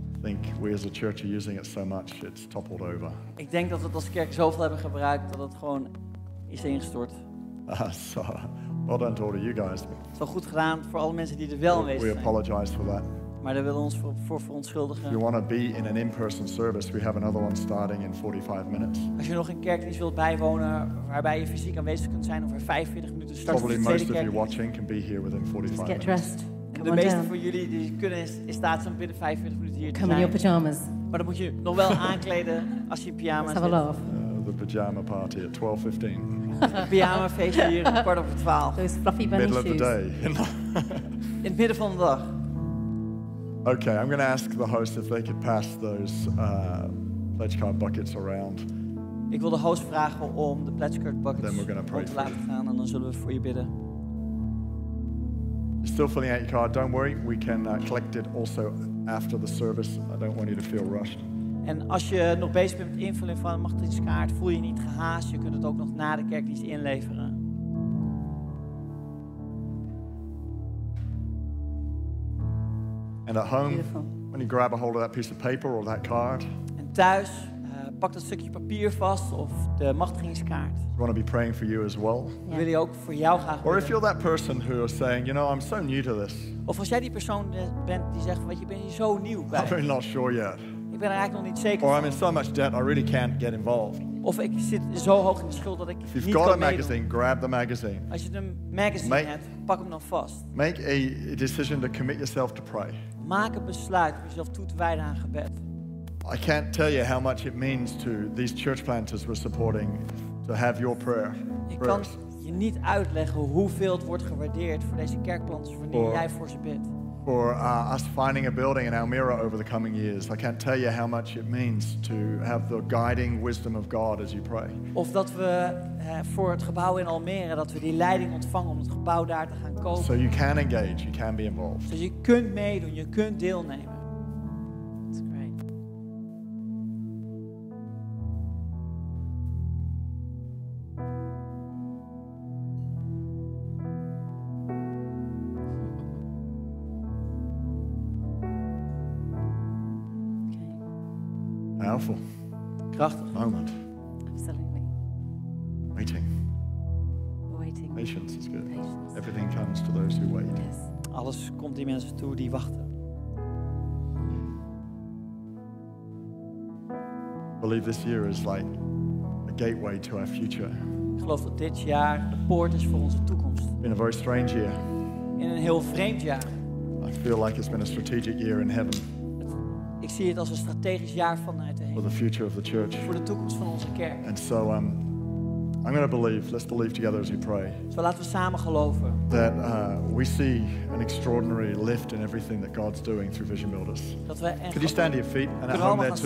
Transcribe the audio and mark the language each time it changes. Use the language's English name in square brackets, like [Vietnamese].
[English] I think we as a church are using it so much, it's toppled over. [Dutch] Ik denk dat we het als kerk zoveel hebben gebruikt dat het gewoon is ingestort. [English] So, well done to all of you guys. [Dutch] Het is wel goed gedaan voor alle mensen die er wel aanwezig zijn. [English] We apologize for that. [Dutch] Maar daar willen we ons voor verontschuldigen. [English] You want to be in an in-person service? We have another one starting in 45 minutes. [Dutch] Als je nog een kerkdienst wilt bijwonen, waarbij je fysiek aanwezig kunt zijn, over 45 minuten start. [English] Probably most of you watching can be here within 45 minutes. Just get dressed. [Dutch] De meeste van jullie die kunnen in staat zijn binnen 45 minuten hier te [English] zijn. Come in your pyjamas. [Dutch] Maar dan moet je nog wel aankleden als je in pyjama zit. [English] Have a laugh. The pyjama party at 12:15. [Dutch] Pyjama feestje hier kwart over 12. [English] Those fluffy bunny middle shoes. Of the day. [Dutch] In het midden van de dag. [English] Okay, I'm going to ask the host if they could pass those pledge card buckets around. [Dutch] Ik wil de host vragen om de pledge card buckets om te laten gaan, en dan zullen we voor je bidden. [English] You're still filling out your card? Don't worry, we can collect it also after the service. I don't want you to feel rushed. [Dutch] En als je nog bezig bent met invullen van de machtigingskaart, voel je niet gehaast. Je kunt het ook nog na de kerkdienst inleveren. [English] And at home, beautiful. When you grab a hold of that piece of paper or that card. [Dutch] En thuis, pak dat stukje papier vast of de machtigingskaart. [English] We want to be praying for you as well. Yeah. [Dutch] Wil je ook voor jou graag. [English] Or if you're that person who is saying, you know, I'm so new to this. [Dutch] Of als jij die persoon bent die zegt, weet je, ben je zo nieuw bij. [English] I'm really not sure yet. [Dutch] Ik ben er eigenlijk nog niet zeker. [English] Or I'm in so much debt, I really can't get involved. [Dutch] Of ik zit zo hoog in de schuld dat ik [English] if [Dutch] niet kan meedoen. [English] You've got a magazine, [Dutch] meedoen. [English] Grab the magazine. [Dutch] Als je een magazine hebt, pak hem dan vast. [English] Make a decision to commit yourself to pray. [Dutch] Maak een besluit om jezelf toe te wijden aan gebed. [English] I can't tell you how much it means to these church planters we're supporting to have your prayer. [Dutch] Ik kan je niet uitleggen hoeveel het wordt gewaardeerd voor deze kerkplanters wanneer jij voor ze bidt. [English] For us finding a building in Almira over the coming years, I can't tell you how much it means to have the guiding wisdom of God as you pray. [Dutch] Of dat we voor het gebouw in Almere dat we die leiding ontvangen om het gebouw daar te gaan kopen. So you can engage, you can be involved. Dus je kunt meedoen, je kunt deelnemen. [English] That's great. Powerful. [Dutch] Krachtig. [English] Moment. Absolutely. Waiting. Waiting. Patience is good. Patience. Everything comes to those who wait. Yes. [Dutch] Alles komt die mensen toe die wachten. [English] I believe this year is like a gateway to our future. [Dutch] Ik geloof dat dit jaar de poort is voor onze toekomst. [English] In a very strange year. [Dutch] In een heel vreemd jaar. [English] I feel like it's been a strategic year in heaven. [Dutch] Ik zie het als een strategisch jaar vanuit de hemel. [English] For the future of the church. [Dutch] Voor de toekomst van onze kerk. [English] And so I'm going to believe. Let's believe together as we pray. [Dutch] Zo laten we samen geloven. [English] That we see an extraordinary lift in everything that God's doing through Vision Builders. [Dutch] Dat we echt. [English] Could you stand to your feet and at home there too?